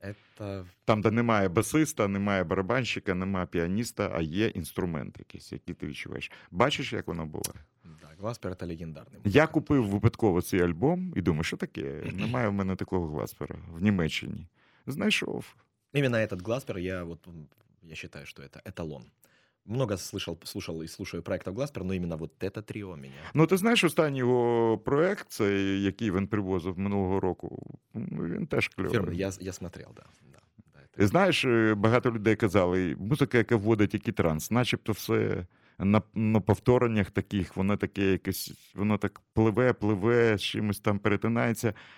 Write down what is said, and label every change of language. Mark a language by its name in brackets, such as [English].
[Russian] Это... [Ukrainian] Там, де немає басиста, немає барабанщика, немає піаніста, а є інструмент якийсь, який ти відчуваєш. Бачиш, як воно було? Да, Гласпер – це легендарний. Я купив випадково цей альбом і думаю, що таке? Немає в мене такого Гласпера в Німеччині. Знайшов. Іменно [Russian] этот Гласпер я вот... Я считаю, что это эталон. Много слышал, слушал и слушаю проектов Гласпер, но именно вот это тріо мені. [Ukrainian] Ну, ти знаєш, останній його проект, це, який він привозив минулого року, він теж кльовий. [Russian] Фірм, я смотрел, да. [Ukrainian] І знаєш, багато людей казали, музика, яка вводить який транс, начебто все на повтореннях таких, воно таке якесь, воно так пливе, з чимось там перетинається.